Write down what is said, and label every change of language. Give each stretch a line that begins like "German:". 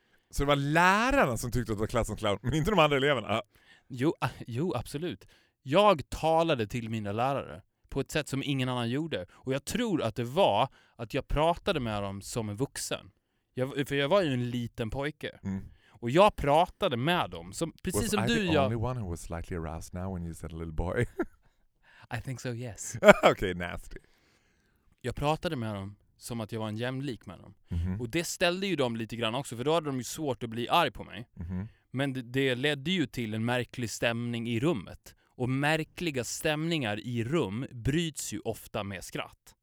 Swedish: Så det var lärarna som tyckte att det var klassens clown, men inte de andra eleverna? Jo, absolut. Jag talade till mina lärare på ett sätt som ingen annan gjorde. Och jag tror att det var att jag pratade med dem som en vuxen. För jag var ju en liten pojke. Mm. Och jag pratade med dem, precis som du.
English: Was I the only one who was slightly aroused now when you said a little boy? I think so, yes. Okay, nasty.
Swedish: Jag pratade med dem. Som att jag var en jämlik med dem. Mm-hmm. Och det ställde ju dem lite grann också. För då hade de ju svårt att bli arg på mig. Mm-hmm. Men det ledde ju till en märklig stämning i rummet. Och märkliga stämningar i rum bryts ju ofta med skratt.